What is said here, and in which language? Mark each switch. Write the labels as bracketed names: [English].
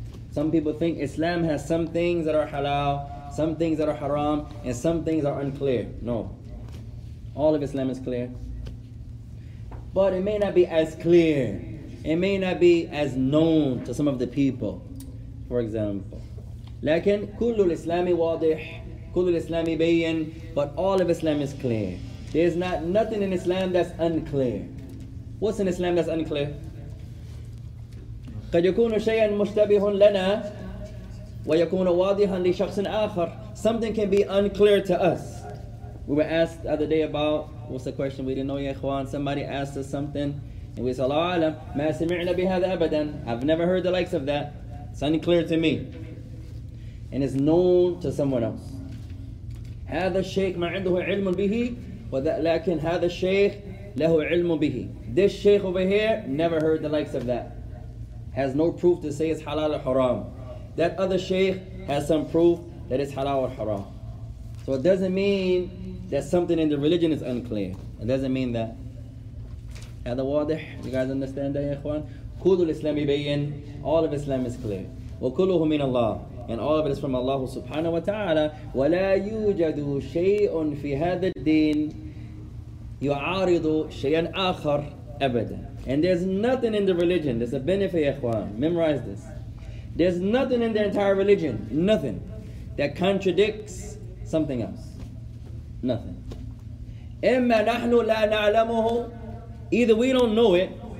[English] Some people think Islam has some things that are halal, some things that are haram, and some things are unclear. No. All of Islam is clear. But it may not be as clear. It may not be as known to some of the people. For example. [Arabic] لكن كل الإسلام واضح كل الإسلام بيّن. [English] But all of Islam is clear. There's not nothing in Islam that's unclear. What's in Islam that's unclear? [Arabic] قد يكون شيئا مشتبه لنا ويكون واضحا لشخص آخر. [English] Something can be unclear to us. We were asked the other day about, what's the question? We didn't know, ya ikhwan. Somebody asked us something. And we said, [Arabic] الله أعلم, ما سمعنا بهذا أبدا. [English] I've never heard the likes of that. It's unclear to me. And it's known to someone else. [Arabic] هذا الشيخ ما عنده علم به ولكن هذا الشيخ له علم به. [English] This sheikh over here never heard the likes of that. Has no proof to say it's halal or haram. That other sheikh has some proof that it's halal or haram. So it doesn't mean that something in the religion is unclear. It doesn't mean that. [Arabic] هذا واضح. [English] You guys understand that, ikhwan? [Arabic] كل الإسلام يبين. [English] All of Islam is clear. [Arabic] وكله من الله. [English] And all of it is from Allah subhanahu wa ta'ala. [Arabic] وَلَا يُوجَدُ شَيْءٌ فِي هَذَا الدِّينِ يُعَارِضُ شَيْءٌ آخَرٌ أَبَدًا. [English] And there's nothing in the religion. There's a benefit, ikhwan. Memorize this. There's nothing in the entire religion. Nothing. That contradicts something else. Nothing. [Arabic] إِمَّا نَحْنُ لَا نَعْلَمُهُ. [English] Either we don't know it.